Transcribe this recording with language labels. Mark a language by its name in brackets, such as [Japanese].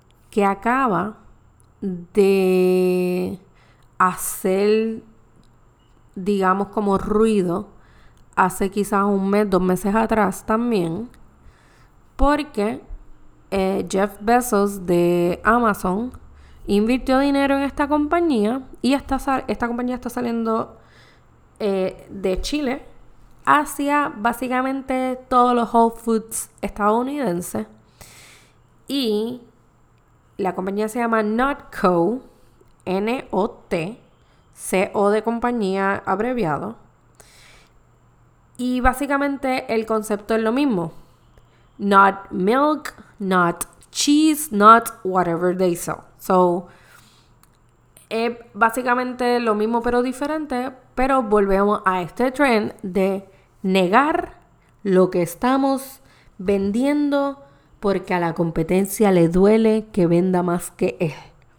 [Spanish] que acaba de hacer, digamos, como ruido hace quizás un mes, dos meses atrás también, porque Jeff Bezos de Amazon invirtió dinero en esta compañía y esta compañía está saliendo de Chile hacia básicamente todos los Whole Foods estadounidenses. Y la compañía se llama NotCo, N-O-T, C-O de compañía abreviado. Y básicamente el concepto es lo mismo. [English] Not milk, not cheese, not whatever they sell. [Spanish] So, es básicamente lo mismo pero diferente, pero volvemos a este trend de negar lo que estamos vendiendo porque a la competencia le duele que venda más que él.